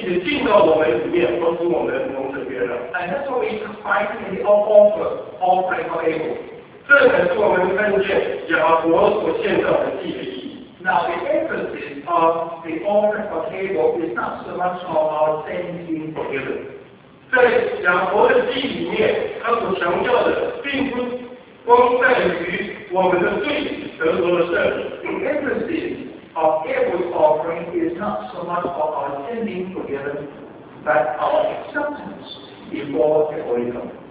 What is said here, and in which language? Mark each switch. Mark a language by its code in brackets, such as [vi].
[zh] 我们需要另外一个生命，在神的眼中是可容悦的，他来遮盖我们，并且进到我们里面，帮助我们蒙神悦纳。 [en] And that's what we find in the offering of Abel. [zh] 这乃是我们看见亚伯所献上的祭的意义。 [en] Now the emphasis of the offering of Abel is not so much of our sin being forgiven. [zh] 在亚伯的祭里面，他所强调的并不 光在于我们的罪得着了赦免。 [en] The emphasis of Abel's offering is not so much of our sin being forgiven, but our acceptance before the Holy God.